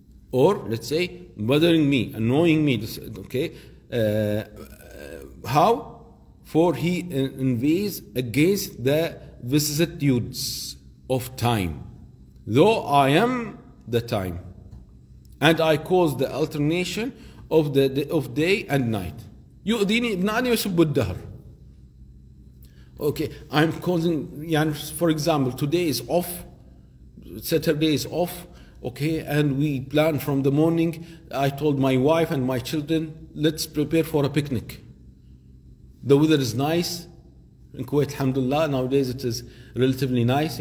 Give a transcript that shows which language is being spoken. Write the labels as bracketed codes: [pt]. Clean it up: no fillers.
[en] Or let's say, bothering me, annoying me. Okay. How? For he inveighs against the vicissitudes of time. Though I am the time. And I cause the alternation of the of day and night. [ar] يؤذيني ابن آدم يسب الدهر. [en] Okay, I'm causing, for example, today is off, Saturday is off, okay, and we plan from the morning. I told my wife and my children, let's prepare for a picnic. The weather is nice in Kuwait, alhamdulillah. Nowadays it is relatively nice.